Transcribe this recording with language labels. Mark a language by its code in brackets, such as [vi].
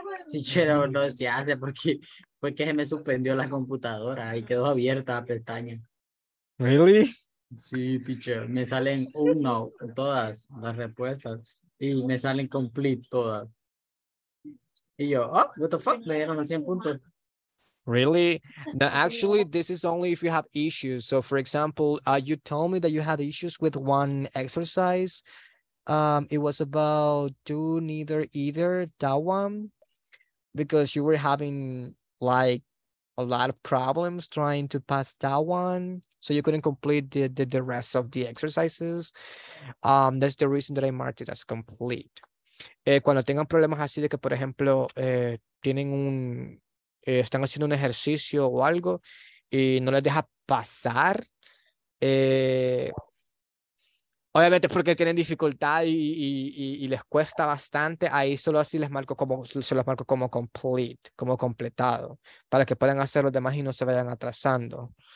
[es] Teacher, no se hace porque fue que se me suspendió la computadora y quedó abierta la pestaña. [en] ¿Really? [es] Sí, teacher, me salen uno, todas las respuestas y me salen complete todas. Y yo, [en] oh, what the fuck, [es] me dieron 100 puntos. [en] Really? No, actually, this is only if you have issues. So, for example, you told me that you had issues with one exercise. It was about do neither either, that one, because you were having like a lot of problems trying to pass that one. So you couldn't complete the rest of the exercises. That's the reason that I marked it as complete. [es] Cuando tengan problemas así de que, por ejemplo, tienen un... están haciendo un ejercicio o algo y no les deja pasar, obviamente porque tienen dificultad y les cuesta bastante, ahí solo así les marco como, se los marco como complete, como completado, para que puedan hacer los demás y no se vayan atrasando.